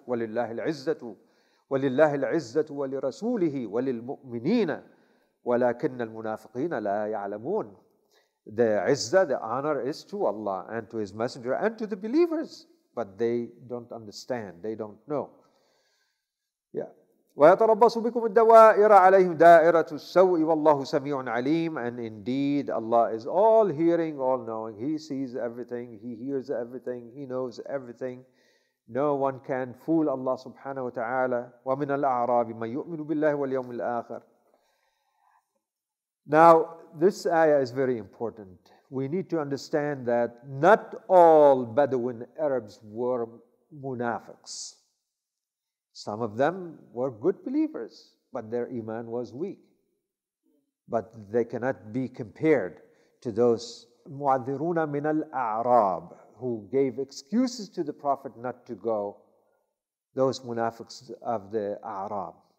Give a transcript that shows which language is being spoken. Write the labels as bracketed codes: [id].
[ar] وَلِلَّهِ الْعِزَّةُ وَلِلَّهِ الْعِزَّةُ وَلِرَسُولِهِ وَلِلْمُؤْمِنِينَ وَلَكِنَّ الْمُنَافِقِينَ لَا يَعْلَمُونَ [en] The izzah, the honor is to Allah and to His Messenger and to the believers. But they don't understand. They don't know. Yeah. [ar] وَيَتَرَبَّصُ بِكُمُ الدَّوَائِرَ عَلَيْهِمْ دَائِرَةُ السَّوْءِ وَاللَّهُ سَمِيعٌ عَلِيمٌ [en] And indeed, Allah is all hearing, all knowing. He sees everything. He hears everything. He knows everything. No one can fool Allah subhanahu wa ta'ala. [ar] وَمِنَ الْأَعْرَابِ مَنْ يُؤْمِنُ بِاللَّهِ وَالْيَوْمِ الْآخِرِ [en] Now, this ayah is very important. We need to understand that not all Bedouin Arabs were munafiqs. Some of them were good believers, but their iman was weak. But they cannot be compared to those mu'adhiruna min al-a'rab who gave excuses to the Prophet not to go, those munafiqs of the a'rab.